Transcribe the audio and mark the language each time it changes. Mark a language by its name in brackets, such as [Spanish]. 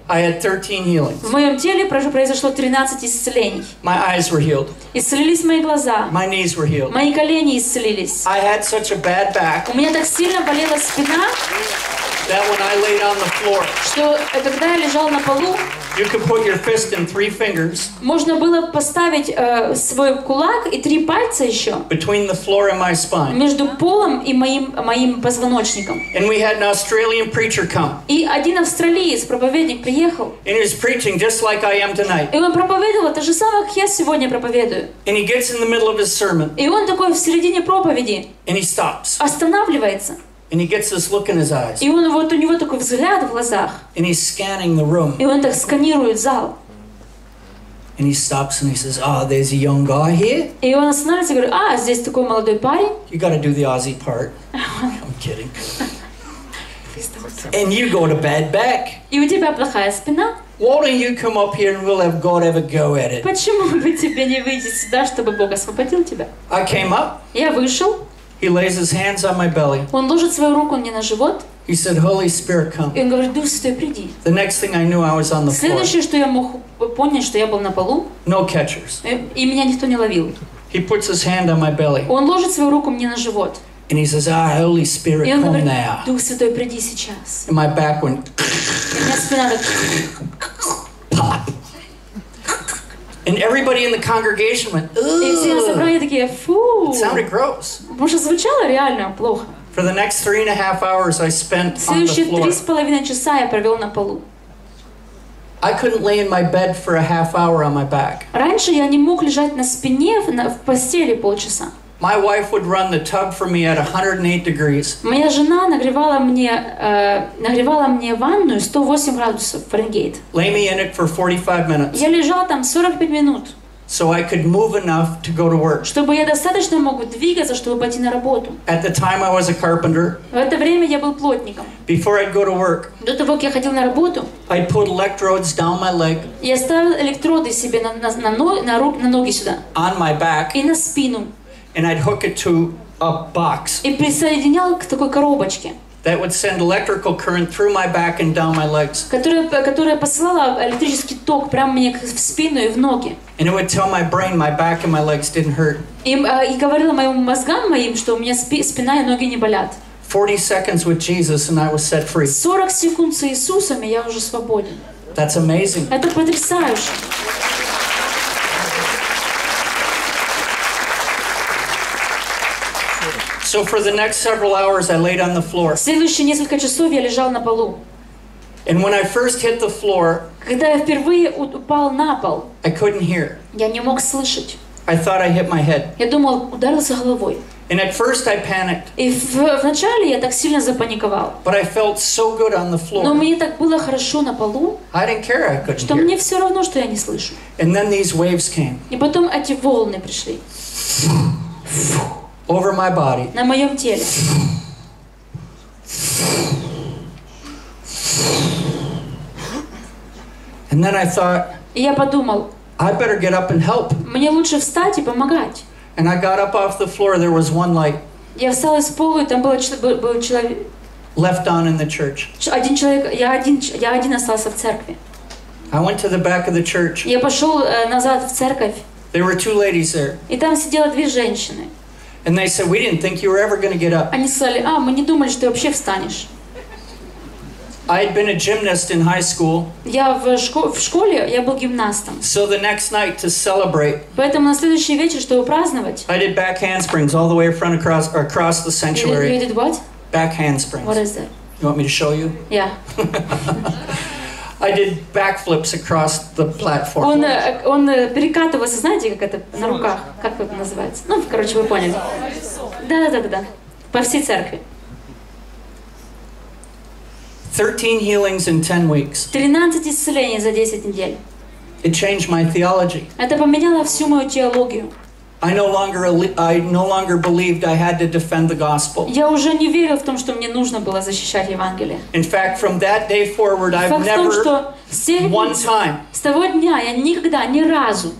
[English] I had 13 healings. [Russian] В моем теле произошло 13 исцелений. [English] My eyes were healed. [Russian] Исцелились мои глаза. [English] My knees were healed. [Russian] Мои колени исцелились. [English] I had such a bad back, [Russian] у меня так сильно болела спина, [English] that when I laid on the floor, [Russian] что когда я лежал на полу, [English] You could put your fist in three fingers. [Russian] Можно было поставить свой кулак и три пальца еще. [English] Between the floor and my spine. [Russian] Между полом и моим позвоночником. [English] And we had an Australian preacher come. [Russian] И один австралиец проповедник приехал. [English] And he was preaching just like I am tonight. [Russian] И он проповедовал то же самое, как я сегодня проповедую. [English] And he gets in the middle of his sermon. [Russian] И он такой в середине проповеди. [English] And he stops. [Russian] Останавливается. [English] And he gets this look in his eyes. [Russian] И он вот у него такой взгляд в глазах. [English] And he's scanning the room. [Russian] И он так сканирует зал. [English] And he stops and he says, "Ah, oh, there's a young guy here." [Russian] И он останавливается и говорит, "А, здесь такой молодой парень." [English] You got to do the Aussie part. I'm kidding. And you got a bad back. [Russian] И у тебя плохая спина. [English] Why don't you come up here and we'll have God have a go at it? [Russian] Почему бы тебе не выйти сюда, чтобы Бог освободил тебя? [English] I came up. [Russian] Я вышел. [English] He lays his hands on my belly. [Russian] Он ложит свою руку мне на живот. [English] He said, "Holy Spirit, come." [Russian] И он говорит, Дух Святой, приди. [English] The next thing I knew, I was on the floor. [Russian] Следующее, что я мог понять, что я был на полу. [English] No catchers. [Russian] И меня никто не ловил. [English] He puts his hand on my belly. [Russian] Он ложит свою руку мне на живот. [English] And he says, "Ah, Holy Spirit, come [Russian] говорит, [English] now." [Russian] Дух Святой, приди сейчас. [English] And my back went. [Russian] И у меня спина так. [English] Pop. And everybody in the congregation went, "Ugh." It sounded gross. [Russian] Может, звучало реально плохо. [English] For the next 3.5 hours, I spent on the floor. [Russian] Следующие 3.5 часа я провел на полу. [English] I couldn't lay in my bed for a half hour on my back. [Russian] Раньше я не мог лежать на спине в постели полчаса. [English] My wife would run the tub for me at 108 degrees. [Russian] Моя жена нагревала мне ванную 108 градусов Фаренгейт. [English] Lay me in it for 45 minutes. [Russian] Я лежал там 45 минут. [English] So I could move enough to go to work. [Russian] Чтобы я достаточно мог двигаться, чтобы пойти на работу. [English] At the time I was a carpenter. [Russian] В это время я был плотником. [English] Before I'd go to work. [Russian] До того, как я ходил на работу. [English] I'd put electrodes down my leg. [Russian] Я ставил электроды себе на ноги сюда. [English] On my back. [Russian] И на спину. [English] And I'd hook it to a box. [Russian] И присоединял к такой коробочке. [English] That would send electrical current through my back and down my legs. [Russian] Которая посылала электрический ток прямо мне в спину и в ноги. [English] And it would tell my brain my back and my legs didn't hurt. [Russian] И говорила моим мозгам моим, что у меня спина и ноги не болят. [English] 40 seconds with Jesus and I was set free. [Russian] 40 секунд с Иисусом и я уже свободен. [English] That's amazing. [Russian] Это потрясающе. [English] So for the next several hours, I laid on the floor. [Russian] Следующие несколько часов я лежал на полу. [English] And when I first hit the floor, [Russian] когда я впервые упал на пол, [English] I couldn't hear. [Russian] Я не мог слышать. [English] I thought I hit my head. [Russian] Я думал, ударился головой. [English] And at first I panicked. [Russian] И вначале я так сильно запаниковал. [English] But I felt so good on the floor. [Russian] Но мне так было хорошо на полу. [English] I didn't care, I couldn't [Russian] что [English] hear. [Russian] Мне все равно, что я не слышу. [English] And then these waves came. [Russian] И потом эти волны пришли. [English] Over my body. [Russian] На моем теле. [English] And then I thought. [Russian] И я подумал. [English] I better get up and help. [Russian] Мне лучше встать и помогать. [English] And I got up off the floor. There was one light. [Russian] Я встал из пола и там был человек. [English] Left on in the church. [Russian] Один человек. Я один остался в церкви. [English] I went to the back of the church. [Russian] Я пошел назад в церковь. [English] There were two ladies there. [Russian] И там сидело две женщины. [English] And they said, "We didn't think you were ever going to get up." [Russian] Они сказали, "А, мы не думали, что ты вообще встанешь." [English] I had been a gymnast in high school. [Russian] Я в школе я был гимнастом. [English] So the next night to celebrate. [Russian] Поэтому на следующий вечер, чтобы праздновать. [English] I did back handsprings all the way front across the sanctuary. You did what? Back handsprings. What is that? You want me to show you? Yeah. I did backflips across the platform. [Russian] Он перекатывался, знаете, как это на руках, как это называется? Ну, короче, вы поняли. Да. По всей церкви. [English] 13 healings in 10 weeks. [Russian] 13 исцелений за 10 недель. [English] It changed my theology. [Russian] Это поменяло всю мою теологию. [English] I no longer believed I had to defend the gospel. [Russian] Я уже не верил в том, что мне нужно было защищать Евангелие. [English] In fact, from that day forward, [Russian] с того дня я никогда ни разу